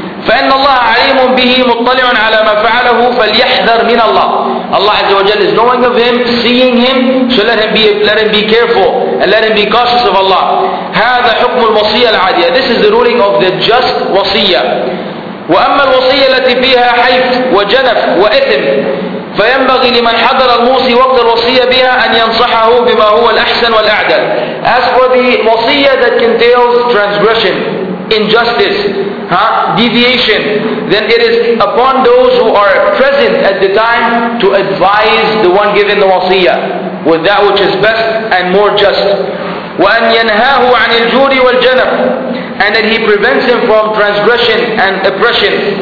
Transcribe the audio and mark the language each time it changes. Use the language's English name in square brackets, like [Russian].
[Arabic] فَإِنَّ اللَّهَ عَلِيمٌ بِهِ مُطَّلِعٌ عَلَى مَا فَعَلَهُ فَلْيَحْذَرْ مِنَ اللَّهِ. [English] Allah Azza wa Jalla is knowing of him, seeing him, so let him be careful and let him be cautious of Allah. [Arabic] هَذَا حُكْمُ الْوَصِيَّةِ الْعَادِيَةِ. [English] This is the ruling of the just wasiyah. [Arabic] وأما الوصية التي فيها حيف وجنف وإثم فينبغي لمن حضر الموصي وقت الوصية بها أن ينصحه بما هو الأحسن والأعدل. [English] As for the wasiyah that entails transgression, injustice, deviation, then it is upon those who are present at the time to advise the one given the wasiyah with that which is best and more just. [Arabic] وَأَنْ يَنْهَاهُ عَنِ الْجُورِ وَالْجَنَبِ, [English] and that he prevents him from transgression and oppression.